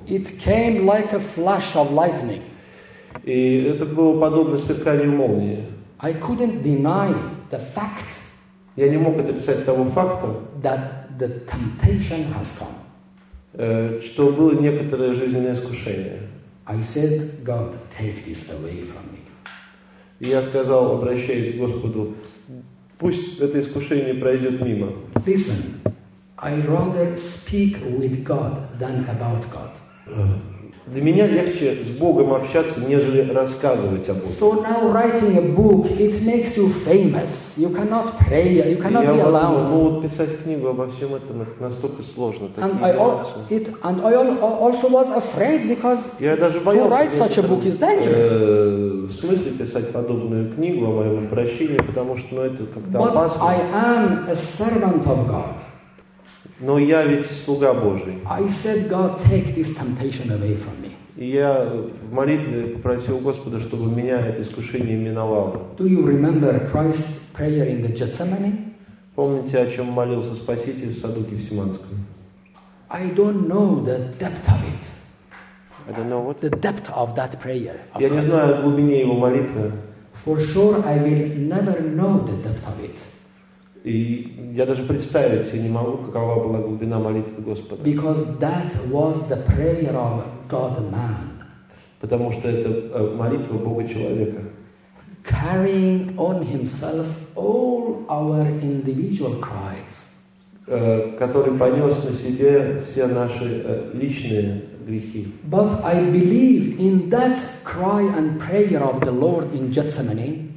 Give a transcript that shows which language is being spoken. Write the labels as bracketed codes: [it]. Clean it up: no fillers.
[en] It came like a flash of lightning. [ru] И это было подобно сверканию молнии. [en] I couldn't deny the fact. [ru] Я не мог отрицать того факта. [en] That the temptation has come. [ru] Что было некоторое жизненное искушение. [en] I said, God, take this away from me. [ru] Я сказал, обращаясь к Господу, пусть это искушение пройдет мимо. [en] Listen, I rather speak with God than about God. [ru] Для меня легче с Богом общаться, нежели рассказывать о Боге. [en] So now writing a book, it makes you famous. You cannot pray, you cannot be alone. [ru] Ну вот писать книгу обо всем этом, это настолько сложно. [en] And I also was afraid because to write such a book is dangerous. [ru] В смысле писать подобную книгу о моем прощении, потому что ну, это как-то [en] But [ru] опасно. [en] I am a servant of God. [ru] Но я ведь слуга Божий. [en] I said, God, take this temptation away from me. [ru] И я в молитве попросил Господа, чтобы меня это искушение миновало. [en] Do you remember Christ's prayer in the Gethsemane? [ru] Помните, о чем молился Спаситель в саду Гефсиманском? [en] I don't know the depth of it. I don't know what? The depth of that prayer. [ru] Я не знаю о глубине его молитвы. [en] For sure, I will never know the depth of it. [ru] И я даже представить себе не могу, какова была глубина молитвы Господа. [en] Because that was the prayer of God-man. [ru] Потому что это молитва Бога-человека. [en] Carrying on himself all our individual cries. [ru] Который понес на себе все наши личные грехи. [en] But I believe in that cry and prayer of the Lord in Gethsemane.